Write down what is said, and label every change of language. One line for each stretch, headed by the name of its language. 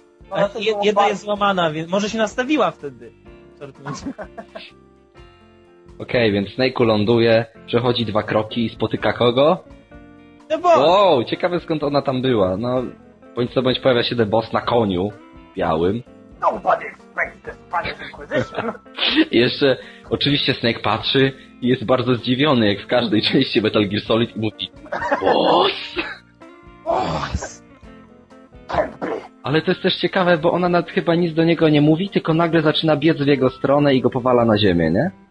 Polish: No, jedna jest złamana, więc może się nastawiła wtedy. Okej, więc Snake'u ląduje, przechodzi dwa kroki i spotyka kogo?
English: The Boss!
Polish: Wow, ciekawe skąd ona tam była. No, bądź co bądź pojawia się The Boss na koniu białym.
English: Nobody expects the Spanish Inquisition.
Polish: I jeszcze, oczywiście Snake patrzy, jest bardzo zdziwiony, jak w każdej części Metal Gear Solid i mówi BOSS! Ale to jest też ciekawe, bo ona nawet chyba nic do niego nie mówi, tylko nagle zaczyna biec w jego stronę i go powala na ziemię, nie?